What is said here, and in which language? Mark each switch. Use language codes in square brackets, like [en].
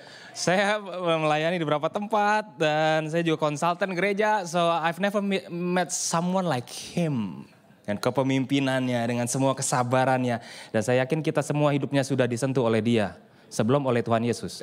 [id] Saya melayani di beberapa tempat dan saya juga konsultan gereja. [en] So I've never met someone like him. [id] Dan kepemimpinannya, dengan semua kesabarannya. Dan saya yakin kita semua hidupnya sudah disentuh oleh dia. Sebelum oleh Tuhan Yesus.